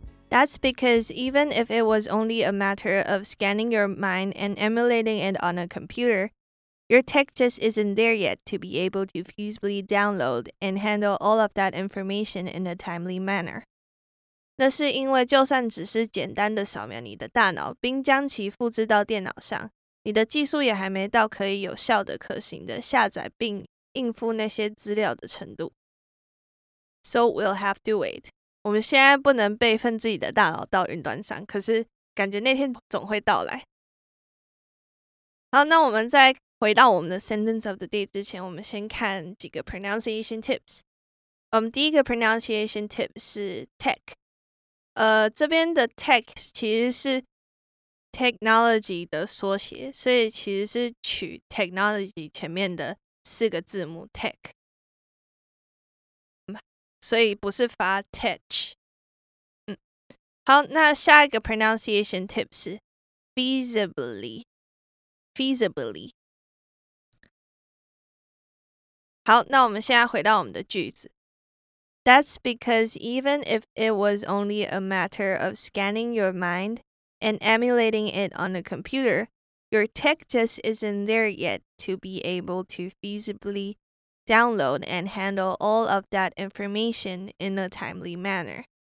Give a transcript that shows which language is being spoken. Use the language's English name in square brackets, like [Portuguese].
[English] That's because even if it was only a matter of scanning your mind and emulating it on a computer, your tech just isn't there yet to be able to feasibly download and handle all of that information in a timely manner. [Chinese] 那是因为就算只是简单的扫描你的大脑，并将其复制到电脑上，你的技术也还没到可以有效的可行的下载并应付那些资料的程度。 [English] So we'll have to wait. [Chinese] 我们现在不能备份自己的大脑到云端上，可是感觉那天总会到来。好，那我们再回到我们的 [English] sentence of the day [Chinese] 之前，我们先看几个 [English] pronunciation tips。 [Chinese] 第一个 pronunciation tip 是 tech。这边的 tech 其实是Technology 的缩写，所以其实是取 technology 前面的四个字母 tech， 所以不是发 tech。好，那下一个 pronunciation tip 是 feasibly。好，那我们现在回到我们的句子。 [English] That's because even if it was only a matter of scanning your mind. And emulating it on a computer, your tech just isn't there yet to be able to feasibly download and handle all of that information in a timely manner.